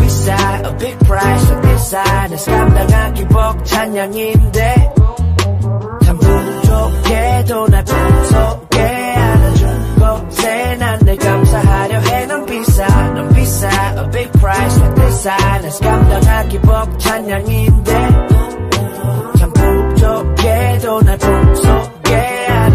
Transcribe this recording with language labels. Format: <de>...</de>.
<en>Bisa, a big price for designers.</en> <ko>감당하기 벅찬 양인데 참 부족해도 날 부족해 안아준 것에 난 늘 감사하려 해. 넌 비싸,</ko> <en>a big price for designers.</en> <ko>감당하기 벅찬 양인데 참 부족해도 날 부족해</ko>